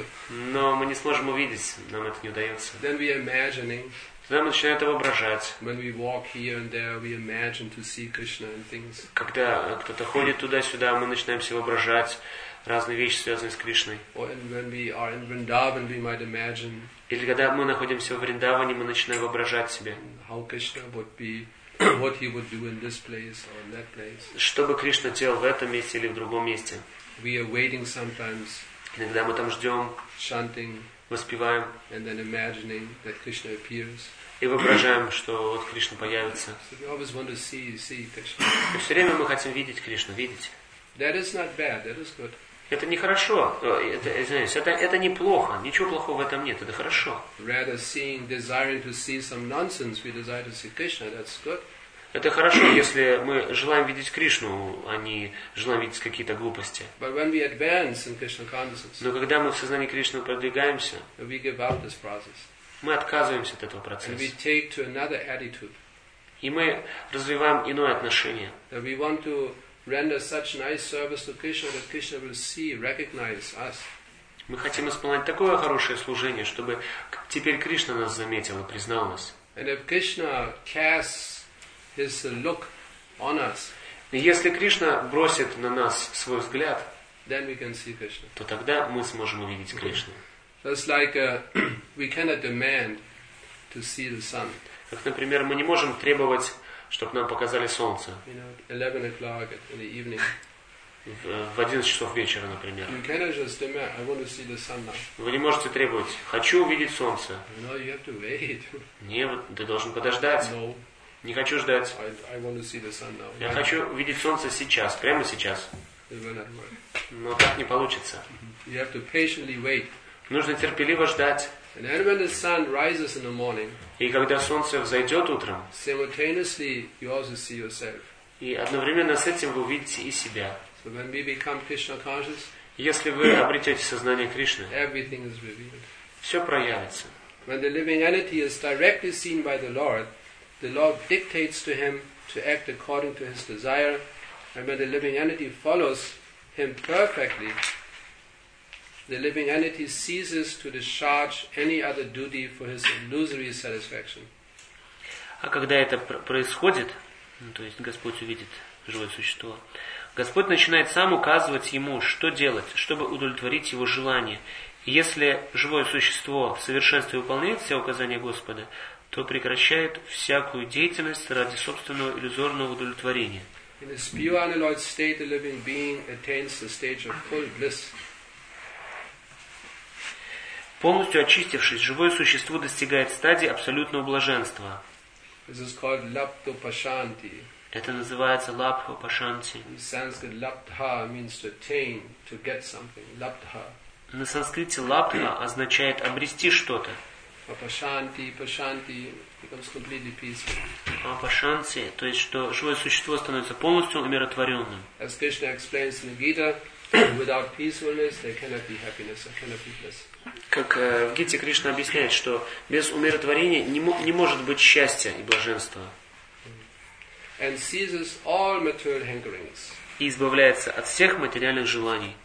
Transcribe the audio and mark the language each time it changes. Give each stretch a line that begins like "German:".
Russian: Но мы не сможем увидеть, нам это не удается.
English: Then we imagining.
Russian: Тогда мы начинаем это воображать.
English: When we walk here and there, we imagine to see Krishna and things.
Russian: Когда кто-то ходит туда-сюда, мы начинаем себе воображать разные вещи, связанные с Кришной.
English: Or when we are in Vrindavan, we might imagine.
Russian: Или когда мы находимся в Вриндаване, мы начинаем воображать себе.
English: How Krishna would be. What he would do in this place or in that place.
Russian: Что бы Кришна делал в этом месте или в другом месте.
English: We are waiting sometimes.
Russian: Иногда мы там ждем,
English: chanting,
Russian: воспеваем,
English: and then imagining that Krishna appears.
Russian: И воображаем, что вот Кришна появится.
English: So we always want to see Krishna.
Russian: И все время мы хотим видеть Кришну, видеть.
English: That is not bad, that is good.
Russian: Это нехорошо, это неплохо, ничего плохого в этом нет, это хорошо.
English: Rather seeing, desiring to see some nonsense, we desire to see Krishna, that's good.
Russian: Это хорошо, если мы желаем видеть Кришну, а не желаем видеть какие-то глупости.
English: But when we advance in Krishna consciousness,
Russian: но когда мы в сознании Кришны продвигаемся,
English: we give up this process.
Russian: Мы отказываемся от этого процесса.
English: And we take to another attitude.
Russian: И мы развиваем иное отношение.
English: That we want to render such nice service to Krishna that Krishna will see, recognize us.
Russian: Мы хотим исполнять такое хорошее служение, чтобы теперь Кришна нас заметил и признал нас.
English: And if Krishna casts His look on us.
Russian: Если Кришна бросит на нас свой взгляд,
English: then we can see Krishna.
Russian: То тогда мы сможем увидеть Кришну.
English: Just like we cannot demand to see the sun.
Russian: Как, например, мы не можем требовать, чтобы нам показали солнце.
English: You know, 11 o'clock in the evening.
Russian: В 11 часов вечера, например.
English: You cannot just demand. I want to see the sun now.
Russian: Вы не можете требовать. Хочу увидеть солнце.
English: No, you have to wait.
Russian: Нет, ты должен подождать.
English: No.
Russian: Не хочу ждать.
English: I want to see the sun now.
Russian: Я хочу увидеть солнце сейчас, прямо сейчас. Но так не получится.
English: You have to patiently wait.
Russian: Нужно терпеливо ждать.
English: And then when the sun rises in the morning,
Russian: и когда солнце взойдет утром,
English: simultaneously you also see yourself.
Russian: И одновременно с этим вы увидите и себя.
English: So when we become Krishna conscious,
Russian: если вы обретете сознание Кришны,
English: everything is revealed.
Russian: Все проявится.
English: When the living entity is directly seen by the Lord, the Lord dictates to him to act according to his desire, and when the living entity follows him perfectly, the living entity ceases to discharge any other duty for his illusory satisfaction.
Russian: А когда это происходит, то есть Господь увидит живое существо, Господь начинает сам указывать ему, что делать, чтобы удовлетворить его желание. Если живое существо в совершенстве выполняет все указания Господа, то прекращает всякую деятельность ради собственного иллюзорного удовлетворения.
English: In this pure unalloyed state, the living being attains the stage of full bliss.
Russian: Полностью очистившись, живое существо достигает стадии абсолютного блаженства.
English: This is called lapto pashanti.
Russian: Это называется лапто пашанти.
English: In Sanskrit, lapta means to attain, to get something.
Sanskrit: Lapta.
Russian: На санскрите лапта означает обрести что-то.
English: Пашанти, пашанти, becomes completely peaceful.
Russian: Пашанти, то есть, что живое существо становится полностью умиротворенным.
English: As Krishna explains in the Gita, without peacefulness, there cannot be happiness, there cannot be bliss.
Russian: Как в Гите Кришна объясняет, что без умиротворения не может быть счастья и блаженства.
English: And ceases all material hankerings.
Russian: И избавляется от всех материальных желаний.